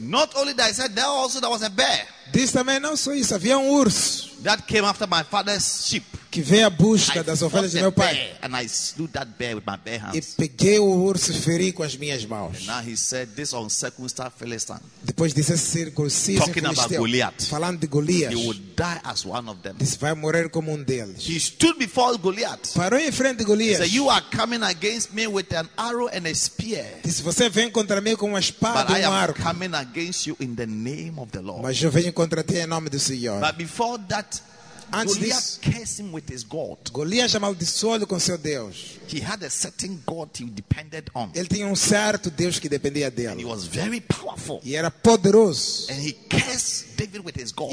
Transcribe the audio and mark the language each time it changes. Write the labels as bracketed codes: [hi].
[en] Not only that, I said there also there was a bear. [pt] This também não só isso, havia urso. [en] That came after my father's sheep. [pt] Que veio à busca das ovelhas do meu pai. [en] And I slew that bear with my bare hands. [pt] E peguei o urso e feri com as minhas mãos. [en] And now he said this on circumcised Philistine. [pt] Depois disse circunciso [en] talking about Goliath. [pt] Falando de Goliath. [en] He would die as one of them. [pt] Disse, vai morrer como deles. [en] He stood before Goliath. [pt] Parou em frente de Goliath. [en] He said, you are coming against me with an arrow and a spear. [pt] Disse, você vem contra mim com uma espada [en] but [pt] e um arco. [en] But I am coming against you in the name of the Lord. [pt] Mas eu venho contra ti em nome do Senhor. [en] But before that [pt] antes [en] Goliath cursed him with his God. [pt] Goliath amaldiçoou-lhe com seu Deus. [en] He had a certain God he depended on. [pt] Ele tinha certo Deus que dependia dele. [en] And he was very powerful. [pt] E era poderoso. [en] And he cursed David with his God.